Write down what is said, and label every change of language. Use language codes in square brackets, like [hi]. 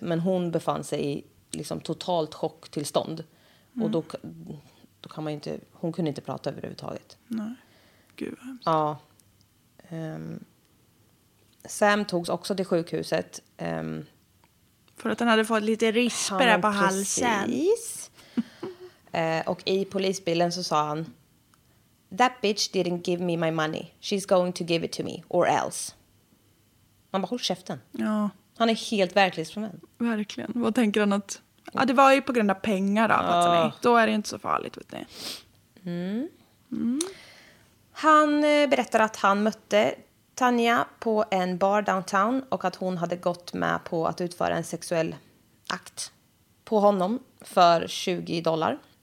[sv] Men hon befann sig i liksom totalt chocktillstånd. Mm. Och då kan man ju inte, hon kunde inte prata överhuvudtaget. Nej, gud vad hemskt. Ja. Sam togs också till sjukhuset. För att han hade fått lite risper på halsen. Precis. Och i polisbilen så sa han, [en] that bitch didn't give me my money. She's going to give it to me, or else. [sv] Man bara, håll käften. Ja. Han är helt verklighetsfrånvänd. Verkligen. Vad tänker han att... Ja, det var ju på grund av pengar då. Ja. Då är det inte så farligt, vet ni. Han berättar att han mötte Tanya på en bar downtown och att hon hade gått med på att utföra en sexuell akt på honom för $20.